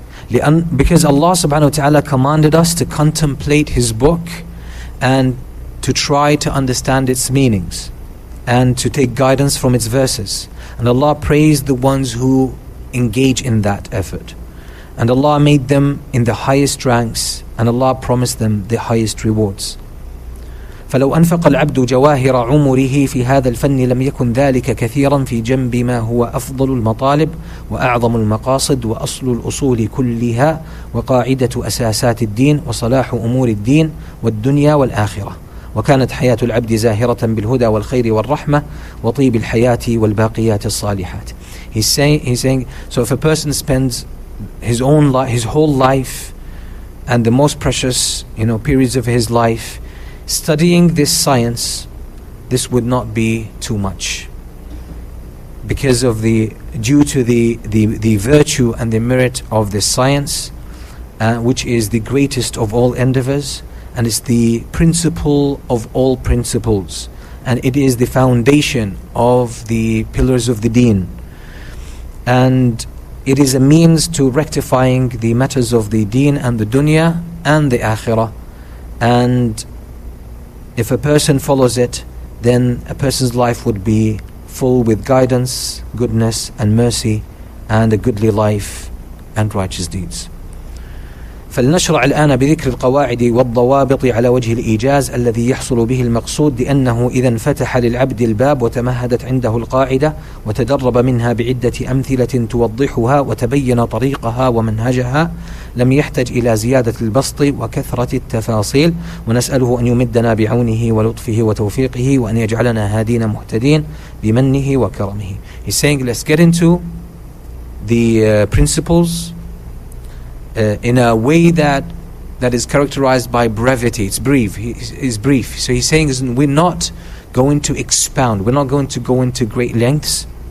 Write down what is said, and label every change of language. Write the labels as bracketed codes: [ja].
[en] Because Allah subhanahu wa ta'ala commanded us to contemplate His book and to try to understand its meanings and to take guidance from its verses. And Allah praised the ones who engage in that effort. And Allah made them in the highest ranks, and Allah promised them the highest rewards. [ar] فَلَوْ أَنْفَقَ الْعَبْدُ جَوَاهِرَ عُمُرِهِ فِي هَذَا الْفَنِّ لَمْ يَكُنْ ذَلِكَ كَثِيرًا فِي جَنْبِ مَا هُوَ أَفْضَلُ الْمَطَالِبِ وَأَعْظَمُ الْمَقَاصِدِ وَأَصْلُ الْأُصُولِ كُلِّهَا وَقَاعِدَةُ أَسَاسَاتِ الدِّينِ وَصَلَاحُ أُمُورِ الدِّينِ وَالدُّنْيَا وَالْآخِرَةِ وكانت حياة العبد زاهرة بالهدى والخير والرحمة وطيب الحياة والباقيات الصالحات. [en] He's saying, so if a person spends his own life, his whole life, and the most precious, you know, periods of his life studying this science, this would not be too much, because of the due to the virtue and the merit of this science, which is the greatest of all endeavors, and it's the principle of all principles, and it is the foundation of the pillars of the deen, and it is a means to rectifying the matters of the deen and the dunya and the akhirah. And if a person follows it, then a person's life would be full with guidance, goodness and mercy, and a goodly life and righteous deeds. [ar] فلنشرع الآن بذكر القواعد والضوابط على وجه الإيجاز الذي يحصل به المقصود لأنه إذا فتح للعبد الباب وتمهدت عنده القاعدة وتدرب منها بعدة أمثلة توضحها وتبين طريقها ومنهجها لم يحتج إلى زيادة البسط وكثرة التفاصيل ونسأله أن يمدنا بعونه ولطفه وتوفيقه وأن يجعلنا هادين مهتدين بمنه وكرمه. [en] He's saying, let's get into the principles in a way that is characterized by brevity. It's brief. He's brief. So he's saying, we're not going to expound. We're not going to go into great lengths.